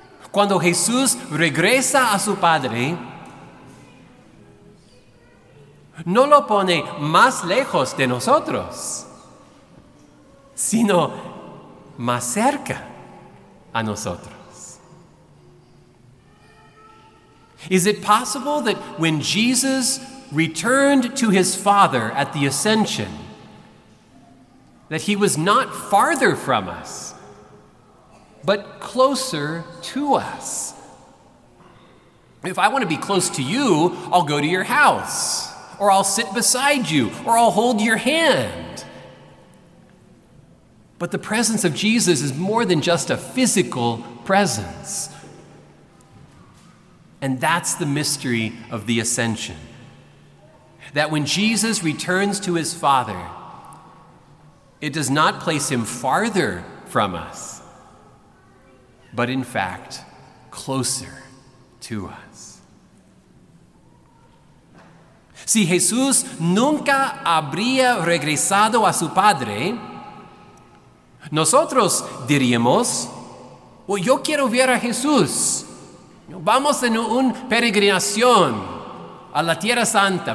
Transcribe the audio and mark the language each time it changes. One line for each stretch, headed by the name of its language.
Spanish: Cuando Jesús regresa a su Padre, no lo pone más lejos de nosotros, sino más cerca a nosotros.
English: Is it possible that when Jesus returned to his Father at the Ascension, that he was not farther from us, but closer to us? If I want to be close to you, I'll go to your house, or I'll sit beside you, or I'll hold your hand. But the presence of Jesus is more than just a physical presence. And that's the mystery of the ascension. That when Jesus returns to his Father, it does not place him farther from us, but in fact, closer to us.
Spanish: Si Jesús nunca habría regresado a su Padre, nosotros diríamos,
English: well,
Spanish: yo quiero ver a Jesús. Vamos en una peregrinación a la Tierra Santa.